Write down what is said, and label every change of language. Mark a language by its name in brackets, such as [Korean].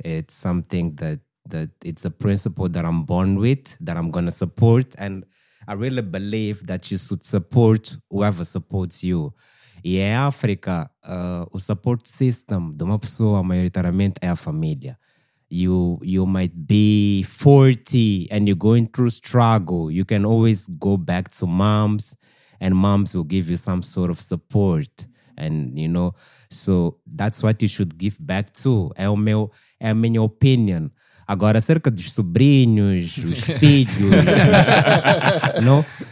[English] It's something that it's a principle that I'm born with, that I'm going to support. And I really believe that you should support whoever supports you. [Portuguese] E em África, o support system de uma pessoa, majoritariamente, é a família. [English] You might be 40 and you're going through struggle. You can always go back to moms, and moms will give you some sort of support. And, you know, so that's what you should give back to. [Portuguese] É a minha opinion. Agora, acerca dos sobrinhos, os filhos, não?